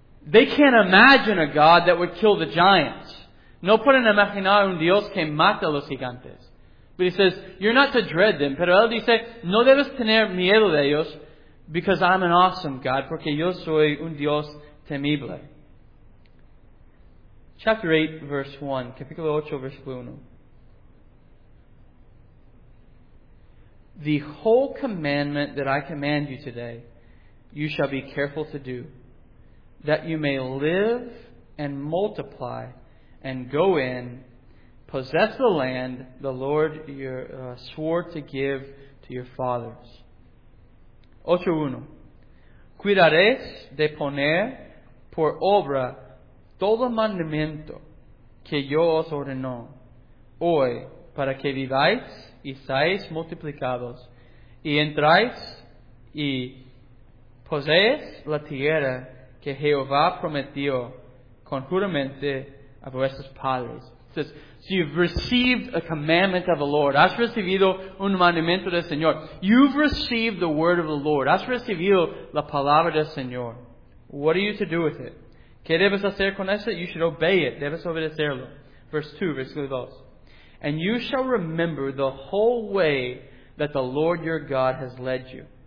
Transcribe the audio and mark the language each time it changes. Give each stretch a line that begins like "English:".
English: They can't imagine a God that would kill the giants.
Spanish: No pueden imaginar un Dios que mata a los gigantes.
English: But He says, you're not to dread them.
Spanish: Pero Él dice, no debes tener miedo de ellos
English: because I'm an awesome God,
Spanish: porque yo soy un Dios temible.
English: Chapter 8, verse 1.
Spanish: Capítulo 8, versículo 1.
English: The whole commandment that I command you today, you shall be careful to do, that you may live and multiply and go in, possess the land the Lord swore to give to your fathers. 8, 1.
Spanish: Cuidaréis de poner por obra todo mandamiento que yo os ordeno hoy para que viváis y seáis multiplicados y entráis y poseéis la tierra que Jehová prometió con juramento a vuestros padres.
English: It says, so you've received a commandment of the Lord.
Spanish: Has recibido un mandamiento del Señor.
English: You've received the word of the Lord.
Spanish: Has recibido la palabra del Señor.
English: What are you to do with it?
Spanish: ¿Qué debes hacer con eso?
English: You should obey it.
Spanish: Debes obedecerlo.
English: Verse 2,
Spanish: versículo 2.
English: And you shall remember the whole way that the Lord your God has led you.